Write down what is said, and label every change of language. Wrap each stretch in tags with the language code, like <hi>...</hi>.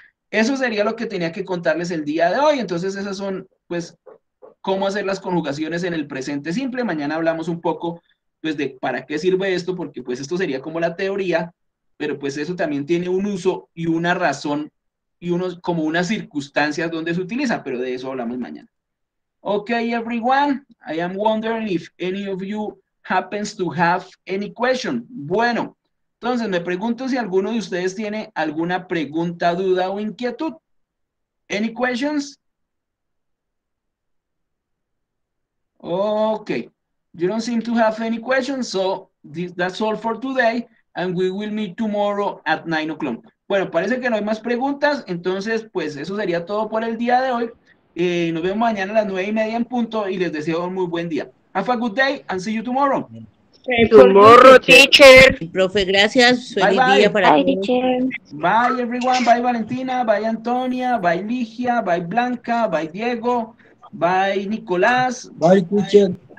<es>Eso sería lo que tenía que contarles el día de hoy, entonces esas son pues cómo hacer las conjugaciones en el presente simple. Mañana hablamos un poco pues de para qué sirve esto, porque pues esto sería como la teoría, pero pues eso también tiene un uso y una razón y unos como unas circunstancias donde se utiliza, pero de eso hablamos mañana.</es> <en>Okay, everyone, I am wondering if any of you happens to have any question.</en> <es>Bueno, entonces me pregunto si alguno de ustedes tiene alguna pregunta, duda o inquietud.</es> <en>Any questions? Okay, you don't seem to have any questions, so that's all for today. And we will meet tomorrow at 9 o'clock.</en> <es>Bueno, parece que no hay más preguntas. Entonces, pues eso sería todo por el día de hoy. Nos vemos mañana a las 9:30 en punto. Y les deseo un muy buen día.</es> <en>Have a good day and see you tomorrow. Tomorrow, teacher.</en> <es>Profe, gracias. Feliz</es> <en>bye, bye.</en> <es>Día para</es> <en>bye, todos. Teacher. Bye, everyone. Bye, Valentina. Bye, Antonia. Bye, Ligia. Bye, Blanca. Bye, Diego. Bye, Nicolás. Bye, teacher.</en>